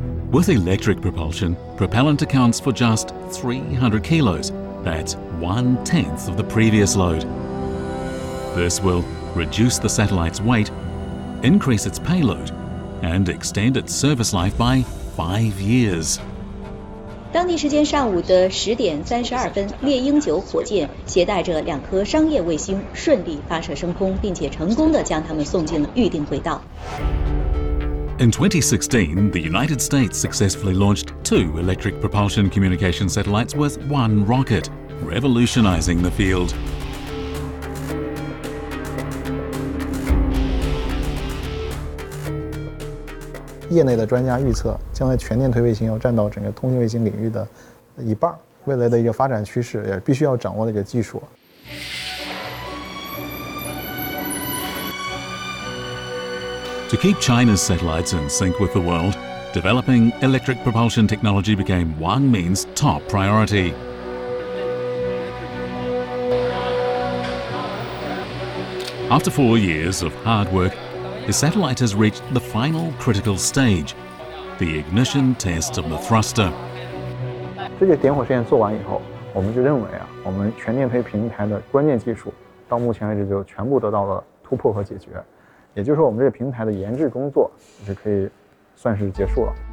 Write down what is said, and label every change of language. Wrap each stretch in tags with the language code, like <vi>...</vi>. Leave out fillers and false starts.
<en>With electric propulsion, propellant accounts for just 300 kilos, that's 1/10 of the previous load. This will reduce the satellite's weight, increase its payload, and extend its service life by 5 years.</en> <zh>当地时间上午的10:32，猎鹰九火箭携带着两颗商业卫星顺利发射升空，并且成功地将它们送进了预定轨道。</zh> <en>In 2016, the United States successfully launched two electric propulsion communication satellites with one rocket, revolutionizing the field. To keep China's satellites in sync with the world, developing electric propulsion technology became Wang Min's top priority. After 4 years of hard work, the satellite has reached the final critical stage, the ignition test of the thruster.</en> <zh>这些点火实验做完以后，我们就认为啊，我们全电推平台的关键技术到目前为止就全部得到了突破和解决，也就是说我们这个平台的研制工作是可以算是结束了。</zh>